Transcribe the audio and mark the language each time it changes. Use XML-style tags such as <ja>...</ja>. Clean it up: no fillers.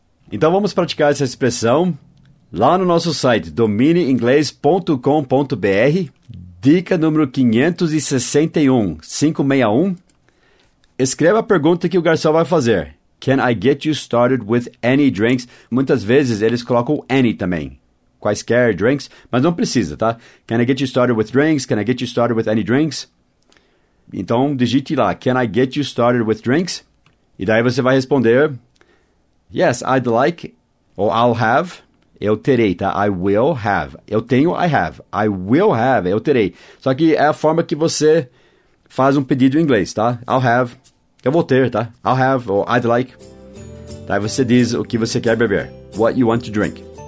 <pt>Então, vamos praticar essa expressão lá no nosso site, dominiinglês.com.br, dica número 561. Escreva a pergunta que o garçom vai fazer.</pt> <en>Can I get you started with any drinks?</en> <pt>Muitas vezes, eles colocam any também. quaisquer drinks, mas não precisa, tá?</pt> <en>Can I get you started with drinks? Can I get you started with any drinks?</en> <pt>Então, digite lá,</pt> <en>can I get you started with drinks?</en> <pt>E daí você vai responder,</pt> <en>yes, I'd like, or I'll have,</en> <pt>eu terei, tá?</pt> <en>I will have,</en> <pt>eu tenho,</pt> <en>I have, I will have,</en> <pt>eu terei. Só que é a forma que você faz um pedido em inglês, tá?</pt> <en>I'll have,</en> <pt>eu vou ter, tá?</pt> <en>I'll have, or I'd like.</en> <pt>Daí você diz o que você quer beber,</pt> <en>what you want to drink.</en>